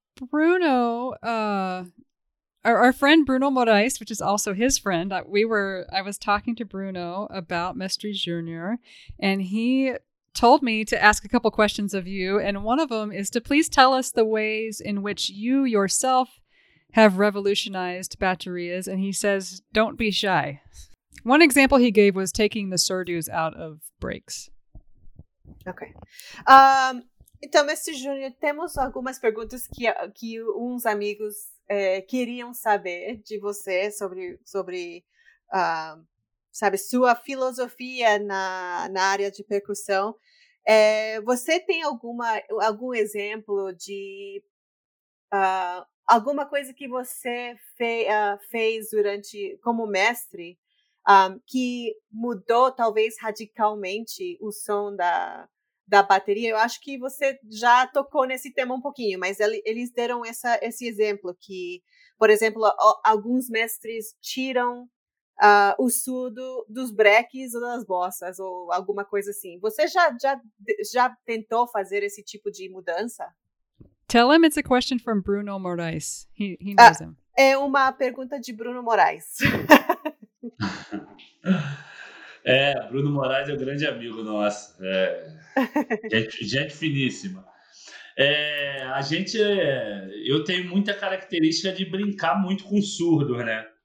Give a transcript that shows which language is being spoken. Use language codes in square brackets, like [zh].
[en] Bruno, our friend Bruno Moraes, which is also his friend, I was talking to Bruno about Mestre Junior, and he told me to ask a couple questions of you. And one of them is to please tell us the ways in which you yourself have revolutionized baterias. And he says, don't be shy. One example he gave was taking the surdos out of breaks. Okay. [pt] Então, Mestre Junior, temos algumas perguntas que uns amigos queriam saber de você sobre sua filosofia na área de percussão. Você tem algum exemplo de alguma coisa que você fez durante como mestre que mudou talvez radicalmente o som da bateria? Eu acho que você já tocou nesse tema um pouquinho, mas eles deram esse exemplo que, por exemplo, alguns mestres tiram o surdo dos breques ou das bossas ou alguma coisa assim. Você já tentou fazer esse tipo de mudança? [en] Tell him it's a question from Bruno Moraes. He knows him. [pt] É uma pergunta de Bruno Moraes. Bruno Moraes é um grande amigo nosso. Gente finíssima. Eu tenho muita característica de brincar muito com surdo, né?